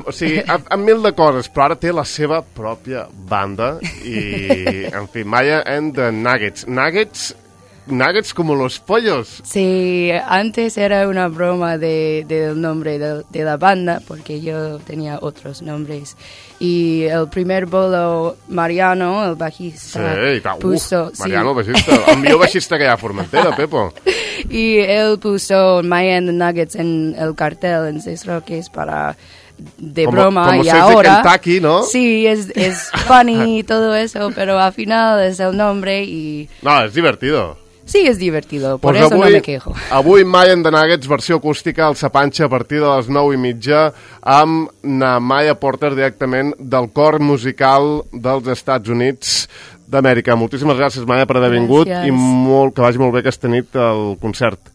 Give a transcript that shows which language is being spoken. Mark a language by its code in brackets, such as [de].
[ca] O sigui, amb mil de coses, però ara té la seva pròpia banda i, en fi, Maya and the Nuggets. [es] Nuggets como los pollos. Sí, antes era una broma del nombre de la banda, porque yo tenía otros nombres. Y el primer bolo, Mariano, el bajista, sí, puso... Mariano, sí. Bajista, [ca] el millor [es] bajista que hay a Formentera, Pepo. Y él puso My and the Nuggets en el cartel en Seis Roques para... De como, broma, como y ahora... Como Kentucky, ¿no? Sí, es funny y todo eso, pero al final es el nombre y... No, es divertido. Sí, és divertido, [ca] per això [es] no me quejo. [ca] Avui, Maya and the Nuggets, versió acústica, al Sapanxa, a partir de les 9:30, amb na Maya Porter, directament del cor musical dels Estats Units d'Amèrica. Moltíssimes gràcies, Maya, per haver vingut. Gràcies. I molt, que vagi molt bé aquesta nit al concert.